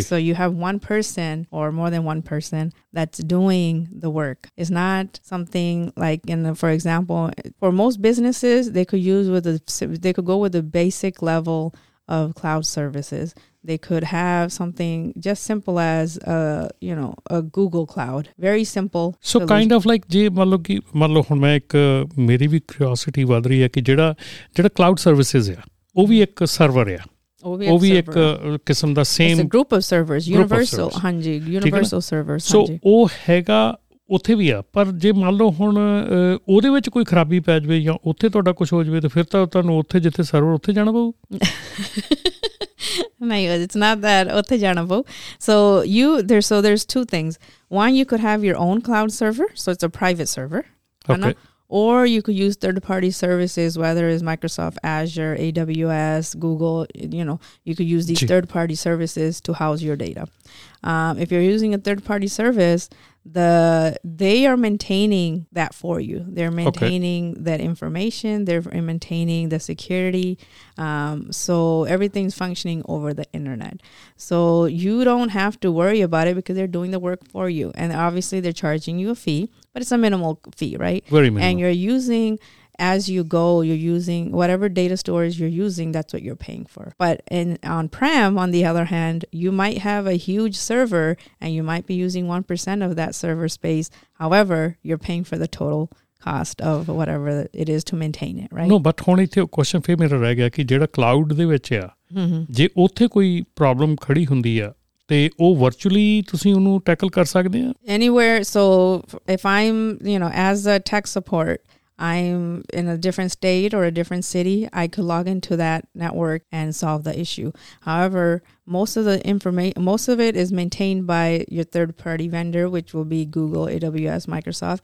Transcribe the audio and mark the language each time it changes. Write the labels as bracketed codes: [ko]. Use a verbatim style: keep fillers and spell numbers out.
[en] So you have one person or more than one person that's doing the work. It's not something like, in the, for example, for most businesses, they could use with the, they could go with the basic level of cloud services. They could have something just simple as a, you know, a Google Cloud. Very simple. So solution. Kind of like [pa] ਜੇ ਮੰਨ ਲਓ ਕਿ ਮੰਨ ਲਓ ਹੁਣ ਮੈਂ ਇੱਕ ਮੇਰੀ ਵੀ curiosity ਵੱਧ ਰਹੀ ਹੈ ਕਿ ਜਿਹੜਾ ਜਿਹੜਾ cloud services ਆ ਉਹ ਵੀ ਇੱਕ ਸਰਵਰ ਆ, ਉਹ ਵੀ ਇੱਕ ਕਿਸਮ ਦਾ same [en] Group of servers, universal, ਹਾਂਜੀ, universal servers. [pa] ਸੋ ਉਹ ਹੈਗਾ ਉੱਥੇ ਵੀ ਆ, ਪਰ ਜੇ ਮੰਨ ਲਓ ਹੁਣ ਉਹਦੇ ਵਿੱਚ ਕੋਈ ਖਰਾਬੀ ਪੈ ਜਾਵੇ ਜਾਂ ਉੱਥੇ ਤੁਹਾਡਾ ਕੁਛ ਹੋ ਜਾਵੇ ਤਾਂ ਫਿਰ ਤਾਂ ਤੁਹਾਨੂੰ ਉੱਥੇ ਜਿੱਥੇ ਸਰਵਰ ਉੱਥੇ ਜਾਣਾ ਪਊ। ਨਹੀਂ, [en] it's not that [pa] ਉੱਥੇ ਜਾਣਾ ਪਊ। [en] So you there, so there's two things. One, you could have your own cloud server, so it's a private server. Okay. Or you could use third-party services, whether it's Microsoft Azure, A W S, Google, you know, you could use these third-party services to house your data. Um, if you're using a third-party service, the they are maintaining that for you. They're maintaining okay. that information. They're maintaining the security. Um, so everything's functioning over the internet. So you don't have to worry about it because they're doing the work for you. And obviously they're charging you a fee, but it's a minimal fee, right? Very minimal. And you're using... As you go, you're using whatever data storage you're using, that's what you're paying for. But in on-prem, on the other hand, you might have a huge server and you might be using one percent of that server space. However, you're paying for the total cost of whatever it is to maintain it, right? No, but [pa] ਹੁਣ ਇੱਥੇ question ਫਿਰ ਮੇਰਾ ਰਹਿ ਗਿਆ ਕਿ ਜਿਹੜਾ cloud ਦੇ ਵਿੱਚ ਆ, ਜੇ ਉੱਥੇ ਕੋਈ ਪ੍ਰੋਬਲਮ ਖੜੀ ਹੁੰਦੀ ਆ ਤੇ ਉਹ ਵਰਚੁਅਲੀ ਤੁਸੀਂ ਉਹਨੂੰ ਟੈਕਲ ਕਰ ਸਕਦੇ ਆ? [en] Anywhere, so if I'm, you know, as a tech support, I'm in a different state or a different city, I could log into that network and solve the issue. However, most of the information, most of it is maintained by your third-party vendor, which will be Google, A W S, Microsoft.